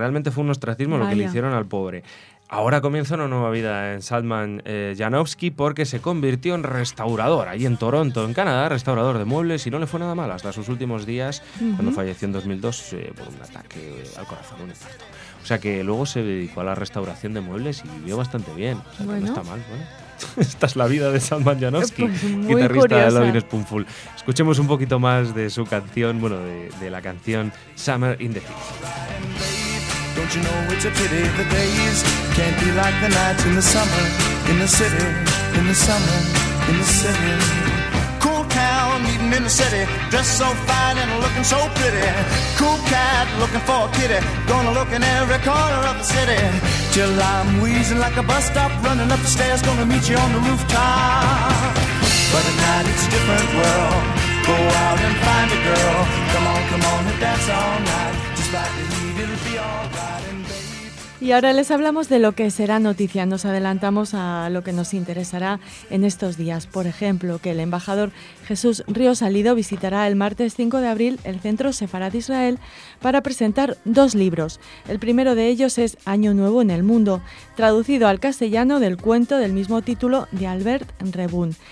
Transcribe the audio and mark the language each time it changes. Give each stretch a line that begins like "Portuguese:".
Spanish: Realmente fue un ostracismo lo que le hicieron al pobre. Ahora comienza una nueva vida en Salman Janowski, porque se convirtió en restaurador ahí en Toronto, en Canadá, restaurador de muebles, y no le fue nada mal hasta sus últimos días, cuando falleció en 2002 por un ataque al corazón, un infarto. O sea que luego se dedicó a la restauración de muebles y vivió bastante bien. O sea, bueno, no está mal, bueno. Esta es la vida de Salman Janowski, pues guitarrista curiosa de Loving Spoonful. Escuchemos un poquito más de su canción, bueno, de la canción Summer in the City.
English: Don't you know it's a pity the days can't be like the nights in the summer, in the city, in the summer, in the city. Cool town meeting in the city, dressed so fine and looking so pretty. Cool cat looking for a kitty, gonna look in every corner of the city. Till I'm wheezing like a bus stop, running up the stairs, gonna meet you on the rooftop. But at night it's a different world, go out and find a girl. Come on, come on, and dance all night, just like the heat, it'll be all right. And baby,
Spanish: Y ahora les hablamos de lo que será noticia. Nos adelantamos a lo que nos interesará en estos días. Por ejemplo, que el embajador Jesús Río Salido visitará el martes 5 de abril el Centro Sefarad Israel para presentar dos libros. El primero de ellos es Año Nuevo en el Mundo, traducido al castellano del cuento del mismo título de Albert Rebun.